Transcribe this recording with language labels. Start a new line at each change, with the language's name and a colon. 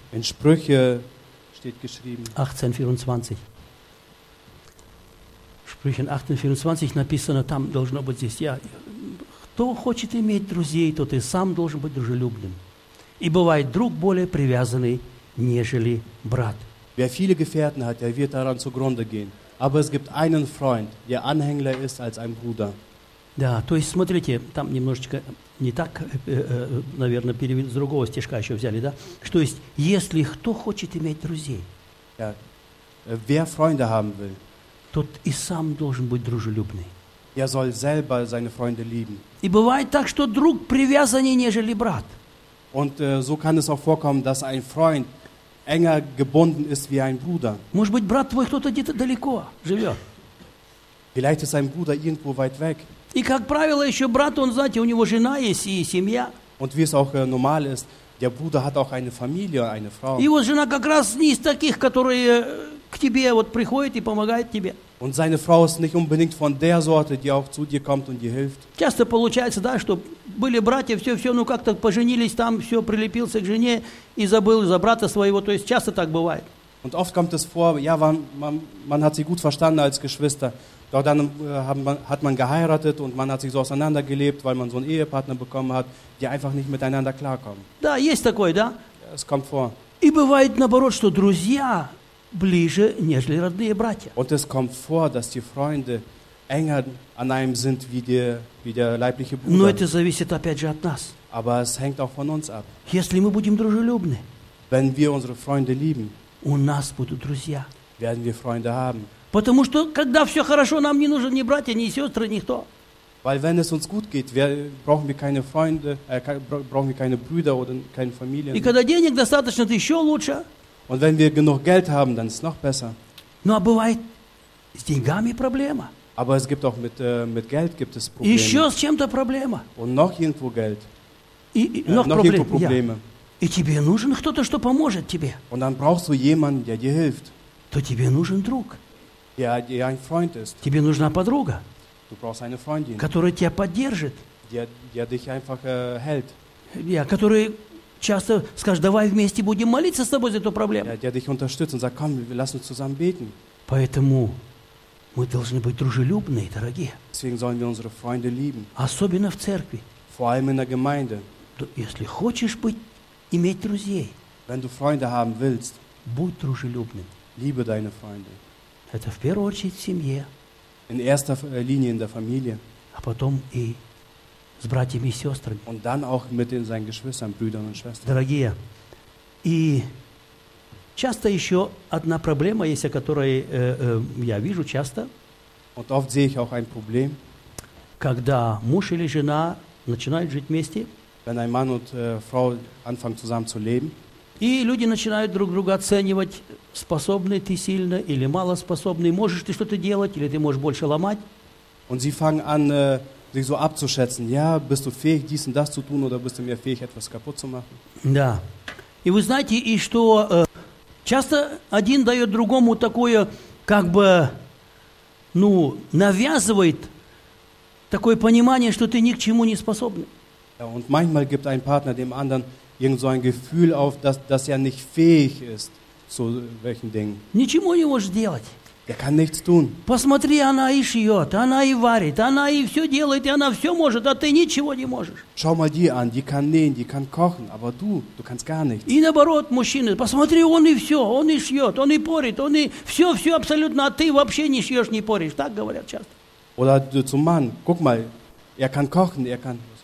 German: In Sprüche steht geschrieben. 18:24.
Russian: В Sprüchen 18:24 написано, там должно быть здесь, я, кто хочет иметь друзей, тот и сам должен быть дружелюбным. И бывает друг более привязанный, нежели брат.
German: Wer viele Gefährten hat, der wird daran zugrunde gehen. Aber es gibt einen Freund, der anhänglicher ist als ein Bruder.
Russian: Да, то есть смотрите, там немножечко не так, наверное, перевели с другого стишка еще взяли, да? Что есть, если кто хочет иметь друзей?
German: Ja, wer Freunde haben will,
Russian: тот и сам должен быть дружелюбный.
German: Er soll selber seine Freunde lieben.
Russian: И бывает так, что друг привязаннее, нежели брат.
German: Und so kann es auch vorkommen, dass ein Freund enger gebunden ist wie ein Bruder.
Russian: Может быть, брат твой кто-то где-то далеко живет.
German: Vielleicht ist ein Bruder irgendwo weit weg.
Russian: И как правило, еще брат, он, знаете, у него жена есть и семья.
German: Und wie es auch normal ist, der Bruder hat auch eine Familie, eine Frau.
Russian: И вот жена как раз не из таких, которые к тебе вот приходят и помогают тебе.
German: Und seine Frau ist nicht unbedingt von der Sorte, die auch zu dir kommt und dir hilft.
Russian: Часто получается, да, что были братья, все-все, ну как-то поженились там, все, прилепился к жене и забыл за брата своего. То есть часто так бывает.
German: Und oft kommt es vor, ja, man hat sich gut verstanden als Geschwister. Doch dann hat man geheiratet und man hat sich so auseinandergelebt, weil man so einen Ehepartner bekommen hat, die einfach nicht miteinander klarkommen.
Russian: Да, есть такое, да?
German: Es kommt vor.
Russian: И бывает наоборот, что друзья ближе, нежели родные братья.
German: Und es kommt vor, dass die Freunde enger an einem sind wie der leibliche Bruder.
Russian: Но это зависит опять же от нас.
German: Aber es hängt auch von uns ab.
Russian: Если мы будем дружелюбны,
German: wenn wir unsere Freunde lieben,
Russian: у нас будут друзья,
German: werden wir Freunde haben.
Russian: Потому что когда все хорошо, нам не нужен ни братья, ни сестры, никто.
German: Weil wenn es uns gut geht, brauchen wir keine Freunde, brauchen wir keine Brüder oder keine Familie.
Russian: И когда денег достаточно, то еще лучше.
German: Und wenn wir genug Geld haben, dann ist es noch besser.
Russian: Ну, а бывает с деньгами проблема.
German: Aber es gibt auch mit Geld gibt es Probleme.
Russian: Еще с чем-то проблема.
German: Und noch irgendwo Geld. Noch irgendwo Probleme. Ja.
Russian: И тебе нужен кто-то, что поможет тебе.
German: Und dann brauchst du jemanden, der dir hilft.
Russian: То тебе нужен друг.
German: Ja, der ein Freund ist.
Russian: Тебе нужна подруга.
German: Du brauchst eine Freundin.
Russian: Которая тебя поддержит.
German: Die dich einfach hält.
Russian: Ja, которая часто скажешь, давай вместе будем молиться с тобой за эту проблему.
German: Der dich unterstützt und sagt, komm, lass uns zusammen beten.
Russian: Поэтому мы должны быть дружелюбные, дорогие.
German: Deswegen sollen wir unsere Freunde lieben.
Russian: Особенно в церкви.
German: Vor allem in der Gemeinde.
Russian: Если хочешь иметь друзей,
German: wenn du Freunde haben willst,
Russian: будь дружелюбным.
German: Liebe deine Freunde.
Russian: Это в первую очередь в семье.
German: In erster Linie in der Familie.
Russian: А потом и с братьями и сестрами.
German: Und dann auch mit seinen Geschwistern, Brüdern und Schwestern.
Russian: Дорогие, и часто еще одна проблема есть, о которой я вижу часто.
German: Und oft sehe ich auch ein Problem,
Russian: когда муж или жена начинают жить вместе.
German: Wenn ein Mann und Frau anfangen zusammen zu leben.
Russian: И люди начинают друг друга оценивать, способный ты сильно или малоспособный, можешь ты что-то делать или ты можешь больше ломать.
German: Und sie fangen an sich so abzuschätzen, ja, bist du fähig, dies und das zu tun oder bist du mehr fähig, etwas kaputt zu machen?
Russian: Да. И вы знаете, и что часто один дает другому такое, как бы, ну, навязывает такое понимание, что ты ни к чему не способен.
German: Ja, und manchmal gibt ein Partner dem anderen irgend so ein Gefühl auf, dass er nicht fähig ist. zu welchen Dingen.
Russian: Ничего не может делать.
German: Er kann nichts tun.
Russian: Посмотри, она и шьет, она и варит, она и все делает, и она все может, а ты ничего не можешь.
German: Schau mal die an, die kann nähen, die kann kochen, aber du kannst gar nichts.
Russian: И наоборот, мужчины, посмотри, он и все, он и шьет, он и порит, он и все, все абсолютно, а ты вообще не шьешь, не поришь. Так говорят часто.
German: Oder zum Mann, guck mal, kann kochen, kann...